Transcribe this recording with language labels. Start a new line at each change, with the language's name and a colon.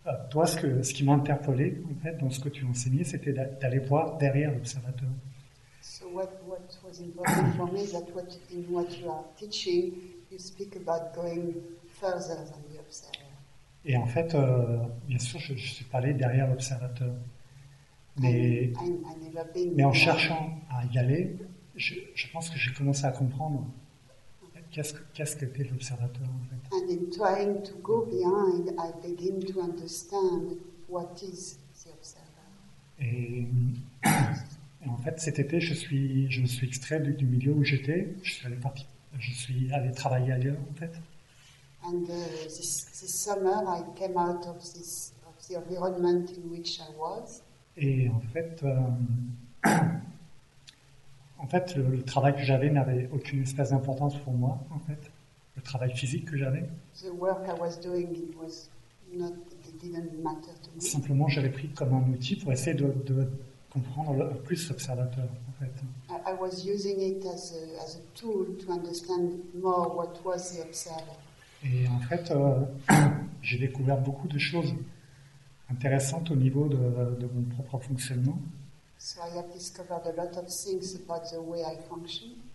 French: Toi, ce qui m'interpellait en fait dans ce que tu enseignais, c'était d'aller voir derrière l'observateur.
English: So what was important for me is that what you are teaching, you speak about going further than the observer.
French: Et en fait, bien sûr, je suis pas allé derrière l'observateur, mais en cherchant à y aller, je pense que j'ai commencé à comprendre. Qu'est-ce que était l'observateur en fait?
English: And in trying to go behind, I begin to understand what is the observer.
French: Et en fait, cet été, je me suis extrait du milieu où j'étais. Je suis allé travailler ailleurs en fait.
English: And this summer, I came out of the environment in which I was.
French: Et en fait. En fait, le travail que j'avais n'avait aucune espèce d'importance pour moi, en fait. Le travail physique que j'avais.
English: The work I was doing, it was not, it didn't matter to me.
French: Simplement, j'avais pris comme un outil pour essayer de comprendre plus l'observateur, en fait.
English: I was using it as a tool to understand more what was the observer.
French: Et en fait, j'ai découvert beaucoup de choses intéressantes au niveau de mon propre fonctionnement.
English: So I have discovered a lot of things about the way I function.